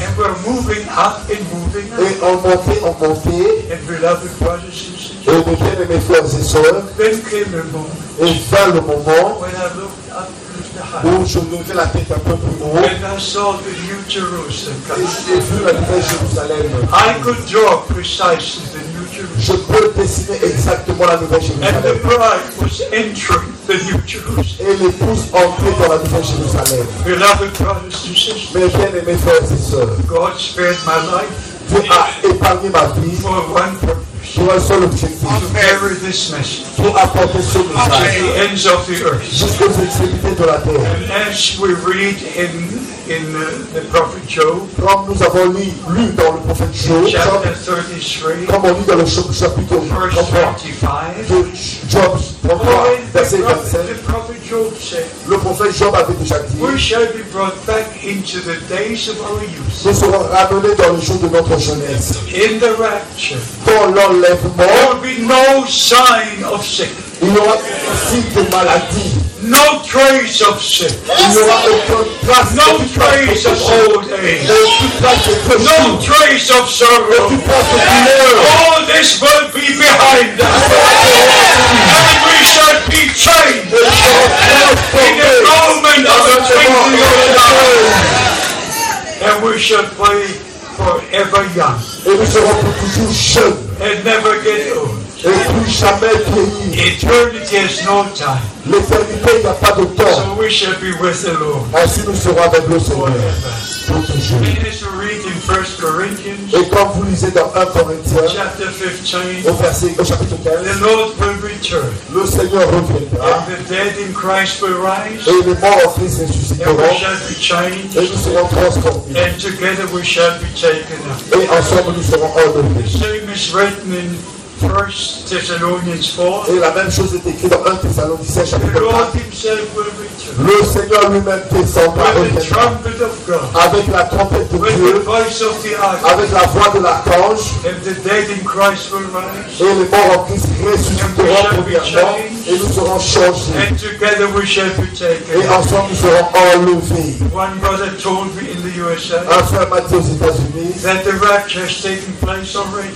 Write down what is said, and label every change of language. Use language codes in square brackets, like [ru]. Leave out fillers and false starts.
[en] And we're moving up and moving up. [fr] Et on montait, [en] and beloved brothers and sisters, [fr] et mes bien-aimés frères et sœurs, [en] then came the moment, [fr] et vint le moment [en] when I looked up. [fr] Où je levais la tête un peu plus haut. [en] And I saw the new Jerusalem. [fr] Et j'ai vu la nouvelle Jérusalem. [en] I could draw precisely the new Jerusalem. [fr] Je peux dessiner exactement la nouvelle Jérusalem. [en] And the bride was entering the new Jerusalem. [fr] Et l'épouse entrait dans la nouvelle Jérusalem. [en] Beloved brothers and sisters. [fr] Mes bien-aimés frères et sœurs. [en] God spared my life. [fr] Dieu a épargné ma vie. [en] For one purpose. [fr] Pour un seul objectif, [en] carry this message, [fr] pour apporter ce message jusqu'aux extrémités de la terre. [en] As we read in the prophet Job, [fr] comme nous avons lu dans le prophète Job, comme on lit dans le chapitre [en] 35, [fr] Job, verset 27, [en] the prophet Job said, [fr] le prophète Job avait déjà dit, [en] we shall be brought back into the days of our youth. [fr] Nous serons ramenés dans les jours de notre jeunesse. [en] In the rapture, [fr] dans l'enlèvement, [en] there will be no sign of sickness. [fr] Il n'y aura aucun signe de maladie. [en] No trace of sin. [fr] Il n'y aura aucun trace. [en] No trace of old age. No trace of sorrow. All this will be behind us. And we shall be changed. In the moment of a twinkling of an eye. And we shall play forever young. [fr] Et nous serons pour toujours jeunes. [en] And never get old. [fr] Et plus jamais vieillir. [en] Eternity has no time. [fr] L'éternité n'a pas de temps. [en] So we shall be with the Lord. [fr] Ainsi nous serons avec le Seigneur. Pour toujours. [en] And as we read in 1 Corinthians. [fr] Et quand vous lisez dans 1 Corinthiens. [en] Chapter 15. [fr] Au chapitre 15. [en] The Lord will return. [fr] Le Seigneur reviendra. [en] And the dead in Christ will rise. [fr] Et les morts en Christ ressusciteront. [en] We shall be changed. [fr] Et nous serons transformés. [en] And together we shall be taken up. [fr] Et ensemble nous serons enlevés. [en] Same is written in 1 Thessalonians 4. [fr] Et la même chose est écrite dans 1 Thessaloniciens chapitre 4. Le Seigneur lui-même descendra avec la trompette de [en] with [fr] Dieu, [en] the voice of the [fr] avec la voix de l'archange, [en] and the dead in Christ will rise, [fr] et les morts en Christ ressusciteront premièrement, et nous serons changés, [en] and together we shall be taken. [fr] Et ensemble nous serons enlevés. [en] One brother told me in the USA, [fr] un frère m'a dit aux États-Unis [en] that the rapture has taken place already.